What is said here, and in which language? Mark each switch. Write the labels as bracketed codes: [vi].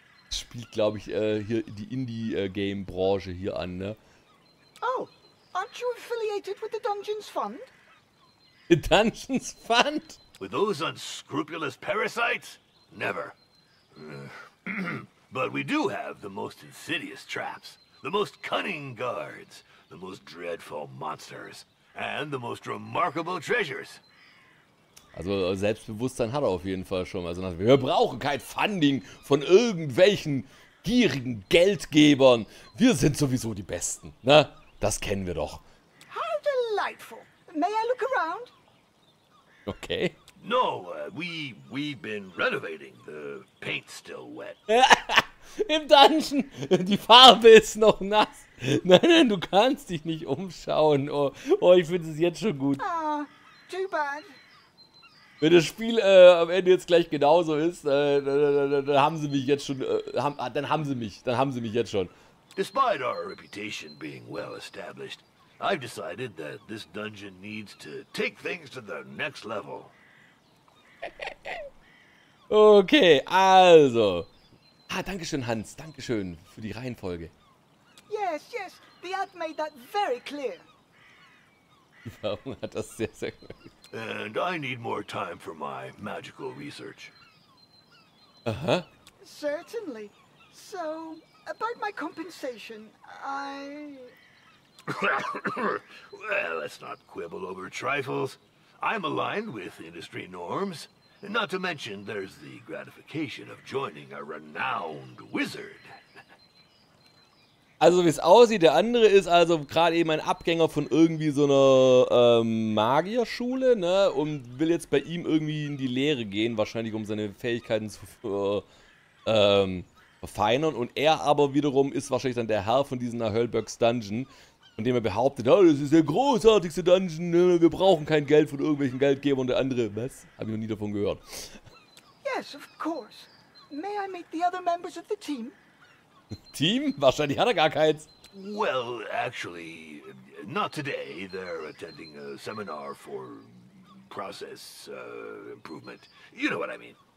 [de] Spielt, glaube ich, hier die Indie-Game-Branche hier an, ne? [en] Oh, aren't you affiliated with the Dungeons Fund? The Dungeons Fund? With those unscrupulous parasites? Never. But we do have the most insidious traps. The most cunning guards, the most dreadful monsters, and the most remarkable treasures. [de] Also Selbstbewusstsein hat er auf jeden Fall schon. Also wir brauchen kein Funding von irgendwelchen gierigen Geldgebern. Wir sind sowieso die Besten. Na, das kennen wir doch. [en] How delightful. May I look around? Okay. No, we've been renovating. The paint's still wet. [de] Im Dungeon, die Farbe ist noch nass. Nein, nein, du kannst dich nicht umschauen. Oh, oh, ich finde es jetzt schon gut. [en] Ah, too bad. [de] Wenn das Spiel am Ende jetzt gleich genauso ist, dann haben sie mich jetzt schon. Dann haben sie mich jetzt schon. [en] Despite our reputation being well established, I've decided that this dungeon needs to take things to the next level. [de] Okay, also. Ah, danke schön, Hans. Danke schön für die Reihenfolge. [en] Yes, yes. The ad made that very clear. [de] Warum hat das sehr, sehr gut. [en] And I need more time for my magical research. Aha. Certainly. So, about my compensation, I... Well, let's not quibble over trifles. I'm aligned with industry norms. Not to mention, there's the gratification of joining a renowned wizard. [de] Also, wie es aussieht, der andere ist also gerade eben ein Abgänger von irgendwie so einer Magierschule, ne? Und will jetzt bei ihm irgendwie in die Lehre gehen, wahrscheinlich um seine Fähigkeiten zu verfeinern. Und er aber wiederum ist wahrscheinlich dann der Herr von diesem Höllbergs Dungeon, von dem er behauptet, oh, das ist der großartigste Dungeon, wir brauchen kein Geld von irgendwelchen Geldgebern. Und der andere, was? Hab ich noch nie davon gehört. [en] Yes, of course. May I meet the other members of the team? [de] Team? Wahrscheinlich hat er gar keins. [en] Well, actually, not today. They're attending a seminar for process improvement. You know what I mean.